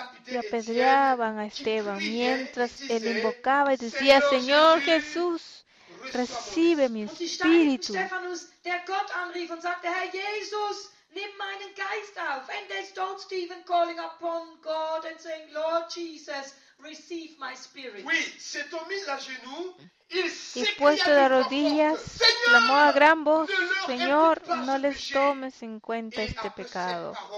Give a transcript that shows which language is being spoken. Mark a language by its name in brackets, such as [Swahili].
[Spanish] Y apedreaban a Esteban mientras él invocaba y decía: Señor Jesús, recibe mi espíritu. [German] Stephanus, der Gott anrief und sagte: Herr Jesus, nimm meinen Geist auf. [English] And they stoned Stephen, calling upon God and saying: Lord Jesus, receive my spirit. [French] Oui, c'est mis à genoux. [Spanish] Y puesto de rodillas, clamó a gran voz: Señor, no les tomes en cuenta este pecado.